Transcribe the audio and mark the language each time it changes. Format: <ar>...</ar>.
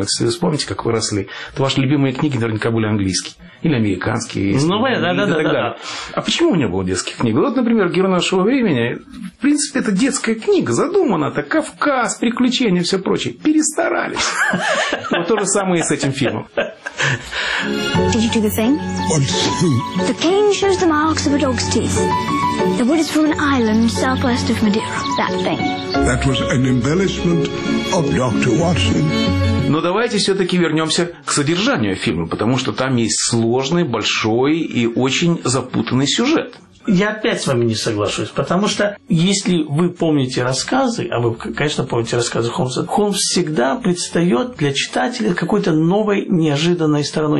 <ru>Вот если вы вспомните, как вы росли, то ваши любимые книги наверняка были английские. Или американские. Ну, да, да, да, да. А почему у него было детских книг? Вот, например, «Герой нашего времени», в принципе, это детская книга, задумана, это Кавказ, приключения, все прочее. Перестарались. Вот то же самое и с этим фильмом.</ru> <en>Did you do the thing? The cane shows the marks of a dog's teeth. The wood is from an island southwest of Madeira. That thing. That was an embellishment of Dr. Watson.</en> <ru>Но давайте все-таки вернемся к содержанию фильма, потому что там есть сложный, большой и очень запутанный сюжет. Я опять с вами не соглашусь, потому что если вы помните рассказы, а вы, конечно, помните рассказы Холмса, Холмс всегда предстает для читателя какой-то новой неожиданной стороной.</ru>